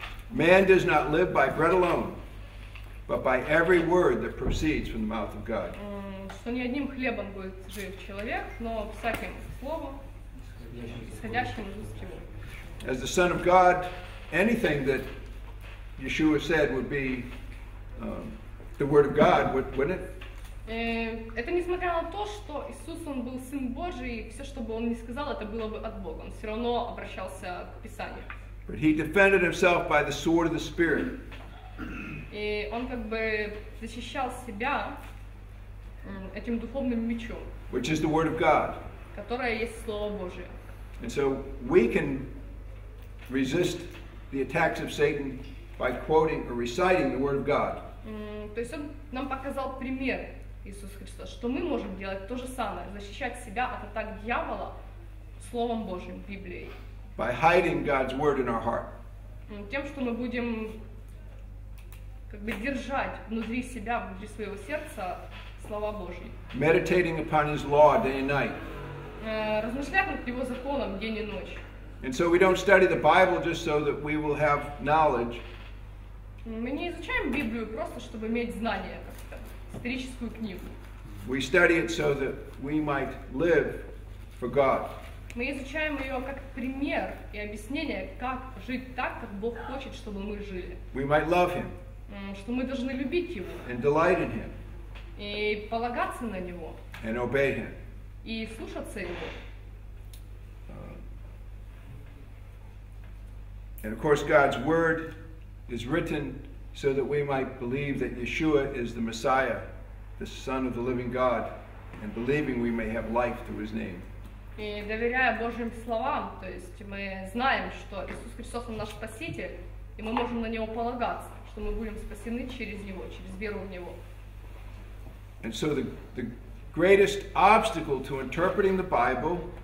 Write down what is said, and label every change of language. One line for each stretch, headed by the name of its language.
English: Man does not live by bread alone, but by every word that proceeds from the mouth of God.
Russian: Что не одним хлебом будет жить человек, но всяким словом, исходящим из уст его.
English: As the Son of God, anything that Yeshua said would be the word of God, wouldn't it?
Russian: Это несмотря на то, что Иисус он был сын Божий, все, что бы он ни сказал, это было бы от Бога. Он все равно обращался к Писанию.
English: But he defended himself by the sword of the Spirit.
Russian: И он как бы защищал себя этим духовным мечом.
English: Which is the word of God.
Russian: Которое есть слово Божие.
English: And so we can resist the attacks of Satan by quoting or reciting the word of God.
Russian: То есть он нам показал пример Иисус Христос, что мы можем делать то же самое, защищать себя от атак дьявола словом Божьим, Библией.
English: By hiding God's word in our heart.
Russian: Тем, что мы будем как бы держать внутри себя, внутри своего сердца слова Божьи.
English: Meditating upon his law day and night.
Russian: Размышлять над его законом день и ночь.
English: And so we don't study the Bible just so that we will have knowledge.
Russian: Мы не изучаем Библию просто, чтобы иметь знания, как-то, историческую книгу.
English: We study it so that we might live for God.
Russian: Мы изучаем ее как пример и объяснение, как жить так, как Бог хочет, чтобы мы жили.
English: We might love Him.
Russian: Что мы должны любить Его.
English: And delight in Him.
Russian: И полагаться на Него.
English: And obey Him.
Russian: И слушаться Его.
English: And of course God's Word is written so that we might believe that Yeshua is the Messiah, the Son of the living God, and believing we may have life through His name.
Russian: И доверяя Божьим словам, то есть мы знаем, что Иисус Христос он наш Спаситель, и мы можем на Него полагаться, что мы будем спасены через Него, через веру в Него.
English: And so the greatest obstacle to interpreting the Bible,